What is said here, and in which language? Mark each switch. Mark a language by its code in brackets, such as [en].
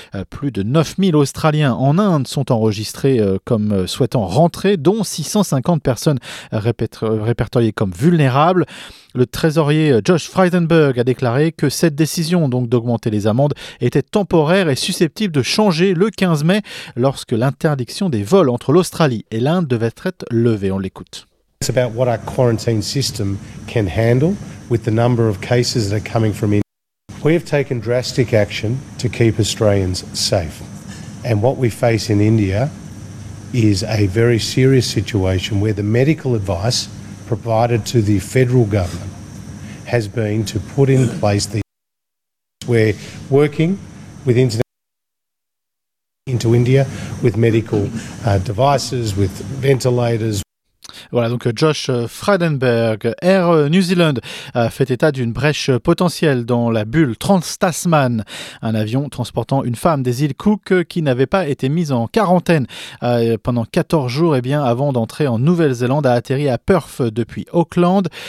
[fr] Plus de 9000 Australiens en Inde sont enregistrés comme souhaitant rentrer, dont 650 personnes répertoriées comme vulnérables. Le trésorier Josh Frydenberg a déclaré que cette décision donc d'augmenter les amendes était temporaire et susceptible de changer le 15 mai lorsque l'interdiction des vols entre l'Australie et l'Inde devait être levée. On l'écoute. [en] It's about what our quarantine system can handle with the number of cases that are coming from India. We have taken drastic action to keep Australians safe. And what we face in India is a very serious situation where the medical advice provided to the federal government has been to put in place the we're working with into India with medical devices, with ventilators. [fr] Voilà, donc Josh Frydenberg, Air New Zealand, fait état d'une brèche potentielle dans la bulle Trans-Tasman, un avion transportant une femme des îles Cook qui n'avait pas été mise en quarantaine pendant 14 jours eh bien, avant d'entrer en Nouvelle-Zélande, a atterri à Perth depuis Auckland.